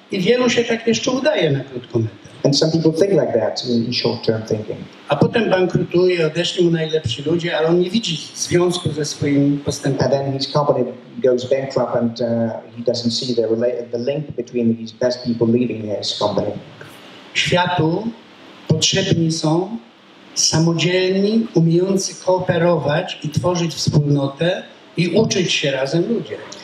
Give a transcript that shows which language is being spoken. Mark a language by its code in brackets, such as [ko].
[pl] I wielu się tak jeszcze udaje na krótką metę. [en] And some people think like that in short-term thinking. [pl] A potem bankrutuje, odeszli mu najlepsi ludzie, ale on nie widzi związku ze swoim postępem. [en] And then his company goes bankrupt and he doesn't see the link between his best people leaving his company. [pl] Światu potrzebni są samodzielni, umiejący kooperować i tworzyć wspólnotę i uczyć się razem ludzie.